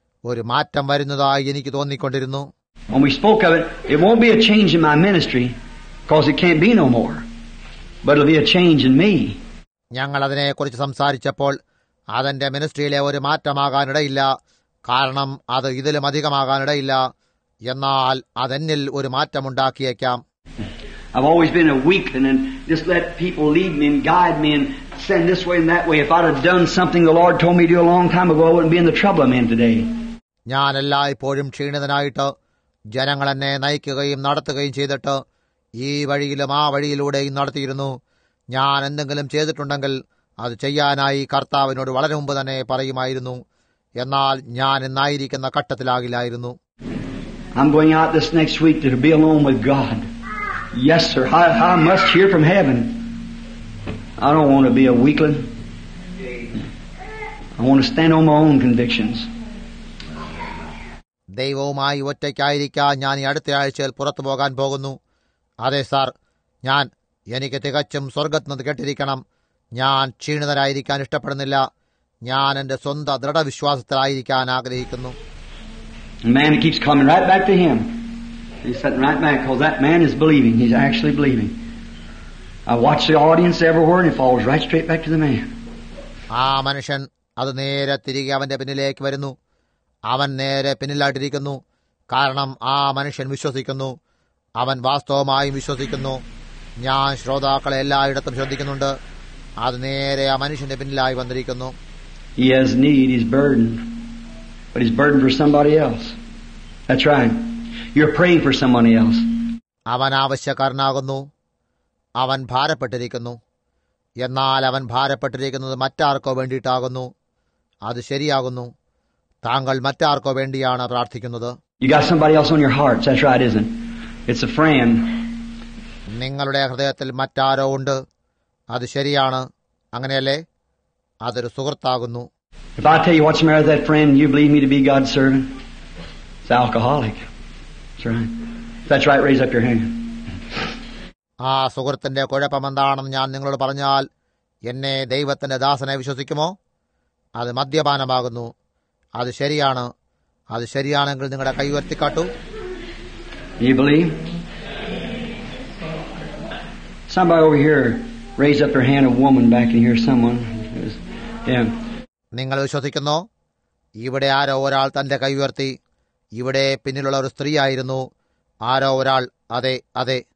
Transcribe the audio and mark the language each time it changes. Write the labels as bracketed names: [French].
[Malayalam] ഒരു മാറ്റം വരുന്നതായി എനിക്ക് തോന്നിക്കൊണ്ടിരുന്നു. [English] When we spoke of it, it won't be a change in my ministry, because it can't be no more. But it'll be a change in me. [Malayalam] ഞങ്ങൾ അതിനെക്കുറിച്ച് സംസാരിച്ചപ്പോൾ അതെന്റെ മിനിസ്ട്രിയിലെ ഒരു മാറ്റമാകാനിടയില്ല. കാരണം അത് ഇതിലും അധികമാകാനിടയില്ല. എന്നാൽ അതെന്നിൽ ഒരു മാറ്റമുണ്ടാക്കിയേക്കാം. [English] I've always been a weak and then just let people lead me and guide me and send this way and that way. If I'd have done something the Lord told me to do a long time ago, I wouldn't be in the trouble I'm in today. [Malayalam] ഞാൻ എല്ലായ്പ്പോഴും ക്ഷീണിതനായിട്ട് ജനങ്ങളെന്നെ നയിക്കുകയും നടത്തുകയും ചെയ്തിട്ട് ഈ വഴിയിലും ആ വഴിയിലൂടെയും നടത്തിയിരുന്നു. ഞാൻ എന്തെങ്കിലും ചെയ്തിട്ടുണ്ടെങ്കിൽ അത് ചെയ്യാനായി കർത്താവിനോട് വളരെ മുമ്പ് തന്നെ പറയുമായിരുന്നു. എന്നാൽ ഞാൻ എന്നായിരിക്കുന്ന ഘട്ടത്തിലാകില്ലായിരുന്നു. [English] I'm going out this next week to be alone with God. Yes, sir. I must hear from heaven. I don't want to be a weakling. I want to stand on my own convictions. [Malayalam] ദൈവവുമായി ഒറ്റയ്ക്കായിരിക്കാൻ ഞാൻ ഈ അടുത്ത ആഴ്ചയിൽ പുറത്തു പോകാൻ പോകുന്നു. അതെ sir, എനിക്ക് തികച്ചും സ്വർഗത്തിൽ നിന്ന് കേട്ടിരിക്കണം. ഞാൻ ക്ഷീണിതരായിരിക്കാൻ ഇഷ്ടപ്പെടുന്നില്ല. ഞാൻ എന്റെ സ്വന്തം ദൃഢവിശ്വാസത്തിലായിരിക്കാൻ ആഗ്രഹിക്കുന്നു. [English] The man keeps coming right back to him. He's sitting right back because that man is believing. He's actually believing. I watch the audience everywhere and it falls right straight back to the man. [Malayalam] ആ മനുഷ്യൻ അത് നേരെ തിരികെ അവന്റെ പിന്നിലേക്ക് വരുന്നു. അവൻ നേരെ പിന്നിലായിട്ടിരിക്കുന്നു. കാരണം ആ മനുഷ്യൻ വിശ്വസിക്കുന്നു. അവൻ വാസ്തവമായും വിശ്വസിക്കുന്നു. ഞാൻ ശ്രോതാക്കളെ എല്ലായിടത്തും ശ്രദ്ധിക്കുന്നുണ്ട്. അത് നേരെ ആ മനുഷ്യന്റെ പിന്നിലായി വന്നിരിക്കുന്നു. [English] He has need, he's burdened. But he's burdened for somebody else. That's right. You're praying for somebody else. [Malayalam] അവൻ ആവശ്യക്കാരനാകുന്നു. അവൻ ഭാരപ്പെട്ടിരിക്കുന്നു. എന്നാൽ അവൻ ഭാരപ്പെട്ടിരിക്കുന്നത് മറ്റാർക്കോ വേണ്ടിയിട്ടാകുന്നു. അത് ശരിയാകുന്നു. താങ്കൾ മറ്റാർക്കോ വേണ്ടിയാണ് പ്രാർത്ഥിക്കുന്നത്. [English] You got somebody else on your heart. That's right, isn't it? It's a friend. [Malayalam] നിങ്ങളുടെ ഹൃദയത്തിൽ മറ്റാരോ ഉണ്ട്. അത് ശരിയാണ്. അങ്ങനെയല്ലേ? അതൊരു സുഹൃത്താകുന്നു. [English] If I tell you what's the matter with that friend, you believe me to be God's servant? It's an alcoholic. That's right. That's right, raise up your hand. [Malayalam] ആ സുഹൃത്തിന്റെ കുഴപ്പമെന്താണെന്ന് ഞാൻ നിങ്ങളോട് പറഞ്ഞാൽ എന്നെ ദൈവത്തിന്റെ ദാസനെ വിശ്വസിക്കുമോ? അത് മദ്യപാനമാകുന്നു. അത് ശരിയാണ്. അത് ശരിയാണെങ്കിൽ നിങ്ങളുടെ കൈ ഉയർത്തിക്കാട്ടു. [English] You believe? Somebody over here, raise up your hand, a woman back in here, someone. Yeah. [Malayalam] നിങ്ങൾ വിശ്വസിക്കുന്നോ? ഇവിടെ ആരോ ഒരാൾ തന്റെ കൈ ഉയർത്തി. ഇവിടെ പിന്നിലുള്ള ഒരു സ്ത്രീയായിരുന്നു. ആരോ ഒരാൾ, അതെ അതെ.